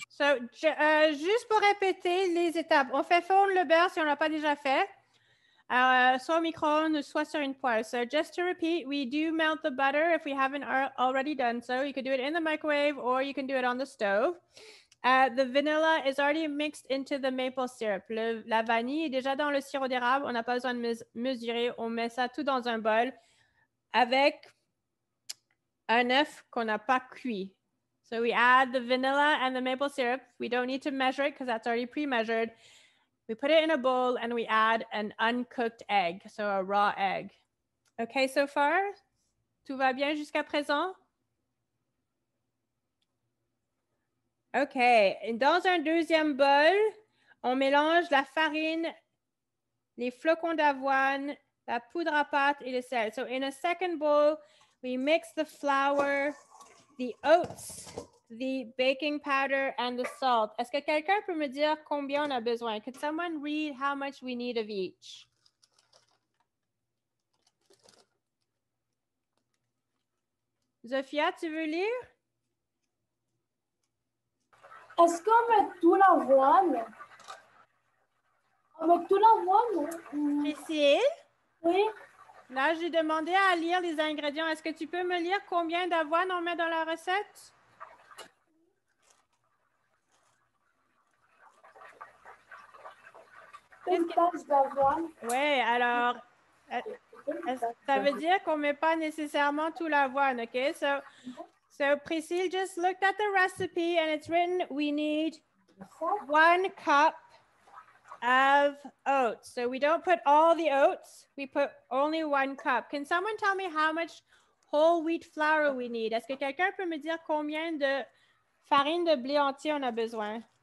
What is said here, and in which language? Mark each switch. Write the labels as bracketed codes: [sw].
[fr] So, juste pour répéter les étapes, on fait fondre le beurre si on l'a pas déjà fait, soit au micro-ondes, soit sur une poêle. [en] So, just to repeat, we do melt the butter if we haven't already done so. You can do it in the microwave or you can do it on the stove. The vanilla is already mixed into the maple syrup. [fr] La vanille est déjà dans le sirop d'érable. On n'a pas besoin de mesurer. On met ça tout dans un bol avec un œuf qu'on n'a pas cuit. [en] So we add the vanilla and the maple syrup. We don't need to measure it because that's already pre-measured. We put it in a bowl and we add an uncooked egg, so a raw egg. [fr] Okay, [en] so far, [fr] tout va bien jusqu'à présent? OK. Dans un deuxième bol, on mélange la farine, les flocons d'avoine, la poudre à pâte et le sel. [en] So in a second bowl, we mix the flour, the oats, the baking powder and the salt. [fr] Est-ce que quelqu'un peut me dire combien on a besoin? [en] Could someone read how much we need of each? [fr] Zofia, tu veux lire? Est-ce qu'on met tout l'avoine? On met tout l'avoine? Priscille? Oui? Là, j'ai demandé à lire les ingrédients. Est-ce que tu peux me lire combien d'avoine on met dans la recette? Une tasse d'avoine. Oui, alors, ça veut dire qu'on ne met pas nécessairement tout l'avoine, OK? [en] So Priscille just looked at the recipe and it's written we need 1 cup of oats. So we don't put all the oats, we put only 1 cup. Can someone tell me how much whole wheat flour we need? [fr] Est-ce que quelqu'un peut me dire combien de farine de blé entier on a besoin?